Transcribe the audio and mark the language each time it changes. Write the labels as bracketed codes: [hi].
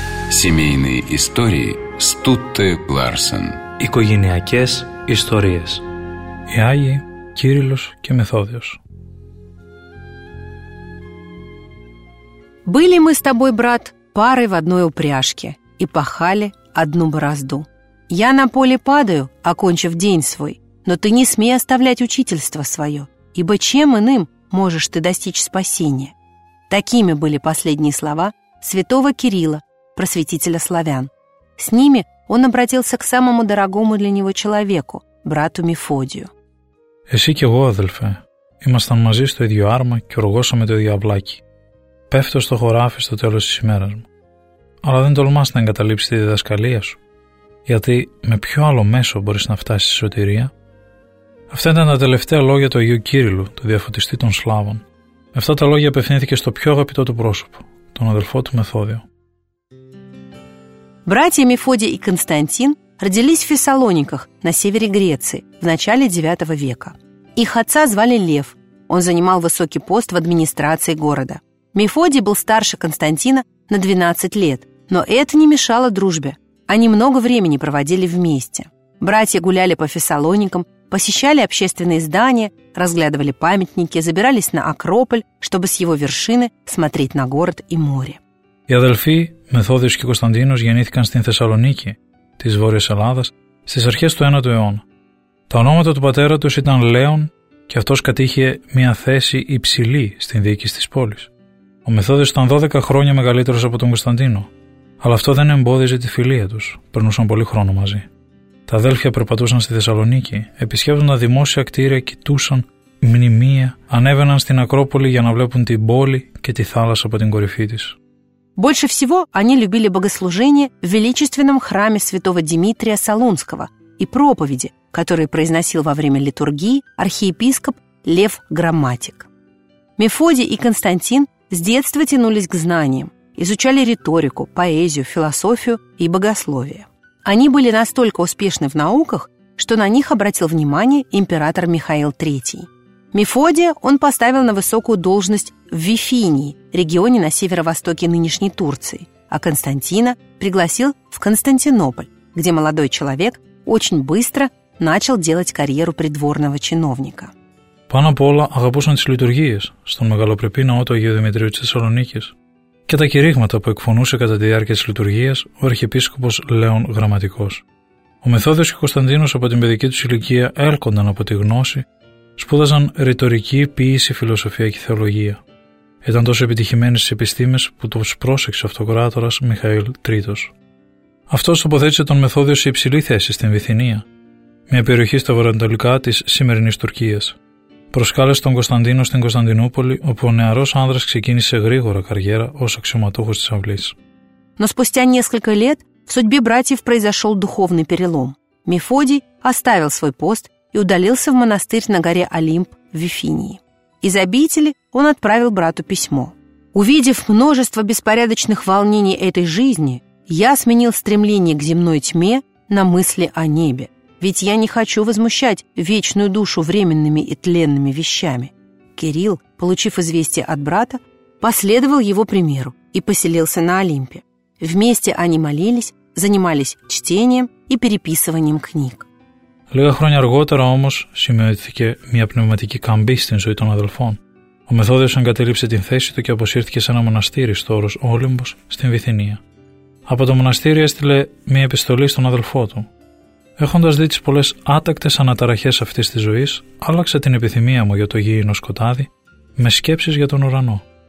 [ru] Семейные истории Стутте Ларсен. [el] Οικογενειακές ιστορίες. Οι Άγιοι Κύριλλος και Μεθόδιος. [ru] Были мы с тобой, брат, парой в одной упряжке и пахали одну борозду. Я на поле падаю, окончив день свой, но ты не смей оставлять учительство свое, ибо чем иным можешь ты достичь спасения? Такими были последние слова святого Кирилла, просветителя славян. С ними он обратился к самому дорогому для него человеку, брату Мефодию. [el] «Εσύ και εγώ, αδελφέ, ήμασταν μαζί στο ίδιο άρμα και οργώσαμε το ίδιο αυλάκι. Πέφτω στο χωράφι στο τέλος της ημέρας μου. Αλλά δεν τολμάς να εγκαταλείψεις τη διδασκαλία σου. Γιατί με ποιο άλλο μέσο μπορείς να φτάσεις στη σωτηρία?» Αυτά ήταν τα τελευταία λόγια του Αγίου Κύριλλου, του διαφωτιστή των Σλάβων. Με αυτά τα λόγια απευθύνθηκε στο πιο αγαπητό του πρόσωπο, τον αδελφό του Μεθόδιο. [ru] Братья Мефодий и Константин родились в Фессалониках на севере Греции в начале IX века. Их отца звали Лев. Он занимал высокий пост в администрации города. Мефодий был старше Константина на 12 лет, но это не мешало дружбе. Они много времени проводили вместе. Братья гуляли по Фессалоникам, посещали общественные здания, разглядывали памятники, забирались на Акрополь, чтобы с его вершины смотреть на город и море. [el] Οι αδελφοί Μεθόδιος και Κωνσταντίνος γεννήθηκαν στην Θεσσαλονίκη της Βόρειας Ελλάδας στις αρχές του 9ου αιώνα. Τα ονόματα του πατέρα τους ήταν Λέων και αυτός κατήχε μια θέση υψηλή στην διοίκηση της πόλης. Ο Μεθόδιος ήταν 12 χρόνια μεγαλύτερος από τον Κωνσταντίνο, αλλά αυτό δεν εμπόδιζε τη φιλία τους, περνούσαν πολύ χρόνο μαζί. Τα αδέλφια περπατούσαν στη Θεσσαλονίκη, επισκέπτονταν δημόσια κτίρια, κοιτούσαν μνημεία, ανέβαιναν στην Ακρόπολη για να βλέπουν την πόλη και τη θάλασσα από την κορυφή της. [ru] Больше всего они любили богослужение в величественном храме святого Дмитрия Солунского и проповеди, которые произносил во время литургии архиепископ Лев Грамматик. Мефодий и Константин с детства тянулись к знаниям, изучали риторику, поэзию, философию и богословие. Они были настолько успешны в науках, что на них обратил внимание император Михаил III. Мефодия он поставил на высокую должность в Вифинии, регионе на северо-востоке нынешней Турции, а Константина пригласил в Константинополь, где молодой человек очень быстро начал делать карьеру придворного чиновника. [el] Πάνω απ' όλα αγαπούσαν τις λειτουργίες στον μεγαλοπρεπή ναό του Αγίου Δημητρίου της Θεσσαλονίκης και τα κηρύγματα που εκφωνούσε κατά τη διάρκεια της λειτουργίας ο αρχιεπίσκοπος Λέων Γραμματικός. Ο Μεθόδιος και ο Κωνσταντίνος από την παιδική τους ηλικία έλκονταν από τη γνώση, σπούδαζαν ρητορική, ποίηση, φιλοσοφία και θεολογία. Ήταν τόσο επιτυχημένοι στις επιστήμες που τους πρόσεξε ο αυτοκράτορας Μιχαήλ III. Αυτός τοποθέτησε τον Μεθόδιο σε υψηλή θέση στην Βυθινία, μια περιοχή στα βορειοανατολικά της σημερινής Τουρκίας. Προσκάλεσε τον Κωνσταντίνο στην Κωνσταντινούπολη, όπου ο νεαρός άνδρας ξεκίνησε γρήγορα καριέρα ως αξιωματούχος της αυλής. [ru] Но спустя несколько лет в судьбе братьев произошел духовный перелом. Мефодий оставил свой пост и удалился в монастырь на горе Олимп в Вифинии. Из обители он отправил брату письмо. «Увидев множество беспорядочных волнений этой жизни, я сменил стремление к земной тьме на мысли о небе. Ведь я не хочу возмущать вечную душу временными и тленными вещами». Кирилл, получив известие от брата, последовал его примеру и поселился на Олимпе. Вместе они молились, занимались чтением и переписыванием книг. [el] Λίγα χρόνια αργότερα όμως σημειώθηκε μια πνευματική καμπή στην ζωή των αδελφών. Ο Μεθόδιος εγκατέλειψε την θέση του και αποσύρθηκε σε ένα μοναστήρι στο όρος Όλυμπος στην Βυθινία. Από το μοναστήρι έστειλε μια επιστολή στον αδελφό του. «Έχοντας δει τις πολλές άτακτες αναταραχές αυτής της ζωής, άλλαξα την επιθυμία μου για το γήινο σκοτάδι με σκέψεις για τον ουρανό.